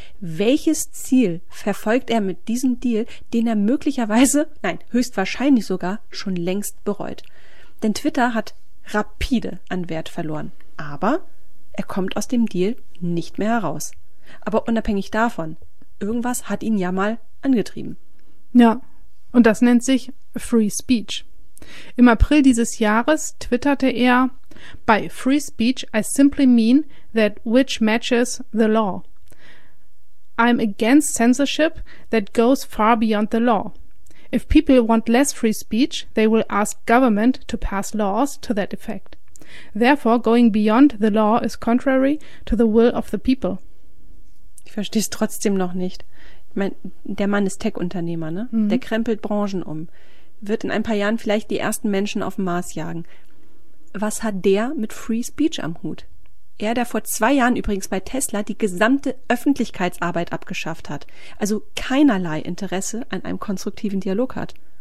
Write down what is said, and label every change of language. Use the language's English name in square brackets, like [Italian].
[German] Welches Ziel verfolgt er mit diesem Deal, den er möglicherweise, nein, höchstwahrscheinlich sogar, schon längst bereut? Denn Twitter hat rapide an Wert verloren. Aber er kommt aus dem Deal nicht mehr heraus. Aber unabhängig davon, irgendwas hat ihn ja mal angetrieben. Ja, und das nennt sich Free Speech. Im April dieses Jahres twitterte er: [English] "By free speech, I simply mean that which matches the law. I'm against censorship that goes far beyond the law. If people want less free speech, they will ask government to pass laws to that effect. Therefore, going beyond the law is contrary to the will of the people." [German] Ich verstehe es trotzdem noch nicht. Ich meine, der Mann ist Tech-Unternehmer, ne? Mhm. Der krempelt Branchen um, wird in ein paar Jahren vielleicht die ersten Menschen auf den Mars jagen. Was hat der mit Free Speech am Hut? Er, der vor 2 Jahren übrigens bei Tesla die gesamte Öffentlichkeitsarbeit abgeschafft hat, also keinerlei Interesse an einem konstruktiven Dialog hat.